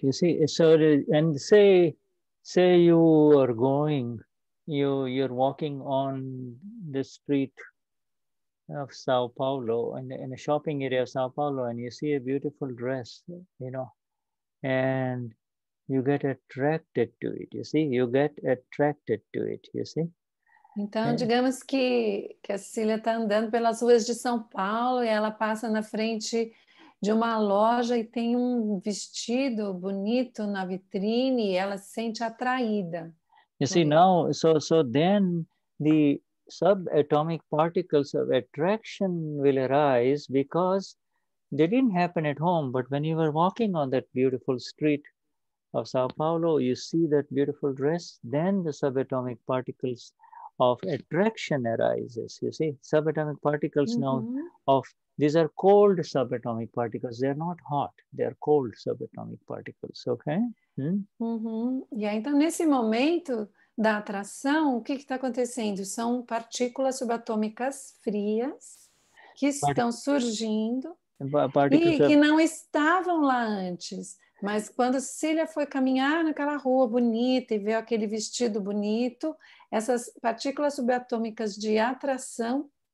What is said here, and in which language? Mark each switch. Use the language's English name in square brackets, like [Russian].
[English] You see, so and say you are going, you're walking on the street of Sao Paulo in a shopping area of Sao Paulo, and you see a beautiful dress, you know, and you get attracted to it. You see, you get attracted to it. You see. [Portuguese] Então, digamos que a Cecília está andando pelas ruas de São Paulo e ela passa na frente de uma loja e tem um vestido bonito na vitrine e ela se sente atraída. [English] You see, now, so then the subatomic particles of attraction will arise because they didn't happen at home, but when you were walking on that beautiful street of Sao Paulo, you see that beautiful dress, then the subatomic particles of attraction arises, you see. Subatomic particles mm-hmm. now of, these are cold subatomic particles, they are not hot, they are cold subatomic particles, okay? [Portuguese] Uhum. E aí, então, nesse momento da atração, o que está acontecendo? São partículas subatômicas frias que estão surgindo e que não estavam lá antes. Mas quando Cília foi caminhar naquela rua bonita e viu aquele vestido bonito, essas partículas subatômicas de atração...